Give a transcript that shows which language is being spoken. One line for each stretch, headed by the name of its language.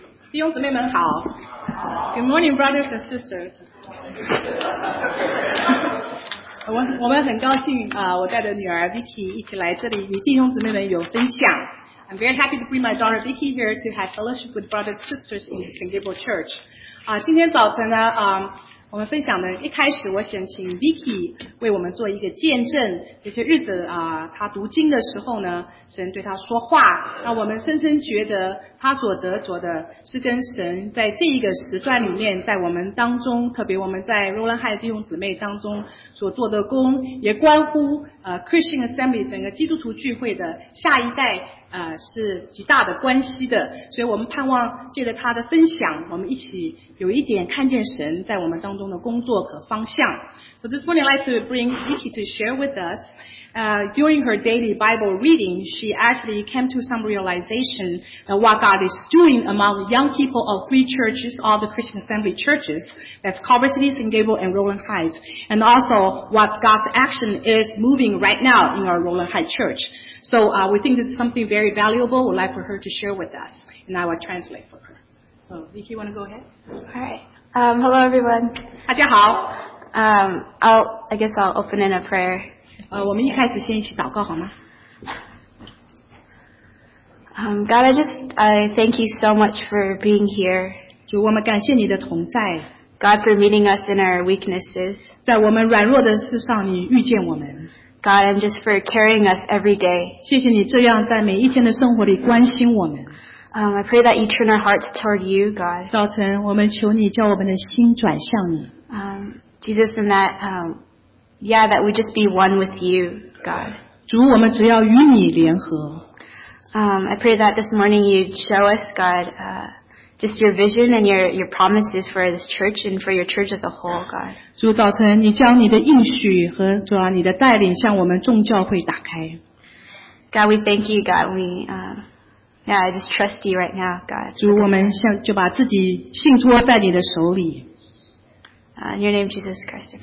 Chinese: 弟兄姊妹们好
English: ，Good morning, brothers and sisters.
Chinese: 我们很高兴啊， 我带着女儿 Vicky 一起来这里与弟兄姊妹们有分享。
English: I'm very happy to bring my daughter Vicky here to have fellowship with brothers and sisters in St. Gabriel Church.
Chinese: 啊，今天早晨呢，我们分享的一开始，我想请 Vicky 为我们做一个见证。这些日子啊，他读经的时候呢，神对他说话，让我们深深觉得他所得着的是跟神在这一个时段里面，在我们当中，特别我们在罗兰海弟兄姊妹当中所做的工，也关乎Christian Assembly 整个基督徒聚会的下一代。是极大的关系的，所以我们盼望借着他的分享，我们一起有一点看见神在我们当中的工作和方向。
English: So this morning I'd like to bring Vicky to share with us. During her daily Bible reading, she actually came to some realization that what God is doing among young people of three churches, all the Christian Assembly churches, that's Culver City, St. Gabriel, and Roland Heights, and also what God's action is moving right now in our Roland Heights church. So we think this is something very valuable. We'd like for her to share with us, and I will translate for her. So Vicky, you want to go ahead? All right. Hello, everyone.
Chinese: 大家好。
English: I'll open in a prayer.
Chinese: 我们一开始先一起祷告好吗？
English: God, I thank you so much for being here.
Chinese: 主，我们感谢你的同在。
English: God, for meeting us in our weaknesses.
Chinese: 在我们软弱的事上，你遇见我们。
English: God, and just for carrying us every day.
Chinese: 谢谢你这样在每一天的生活里关心我们。
English: I pray that you turn our hearts toward you, God.
Chinese: 早晨，我们求你叫我们的心转向你。
English: Jesus, and that, that we just be one with you, God.
Chinese: 主，我们只要与你联合。
English: I pray that this morning you'd show us, God, just your vision and your promises for this church and for your church as a whole, God.
Chinese: 主，早晨，你将你的应许和主啊你的带领向我们众教会打开。
English: God, we thank you, God. I just trust you right now, God.
Chinese: 主，我们向就把自己信托在你的手里。
English: In your name, Jesus Christ.